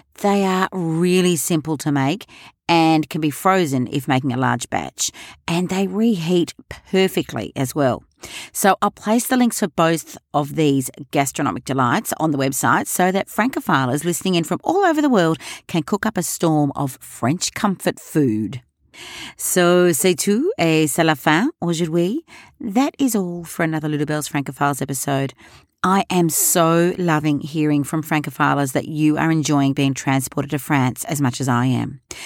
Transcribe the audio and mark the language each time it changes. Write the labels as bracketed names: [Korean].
[English] They are really simple to make and can be frozen if making a large batch. And they reheat perfectly as well. So I'll place the links for both of these gastronomic delights on the website so that Francophilers listening in from all over the world can cook up a storm of French comfort food. [French] So c'est tout et c'est la fin aujourd'hui. [English] That is all for another Lulabelle's Francophiles episode. I am so loving hearing from Francophilers that you are enjoying being transported to France as much as I am.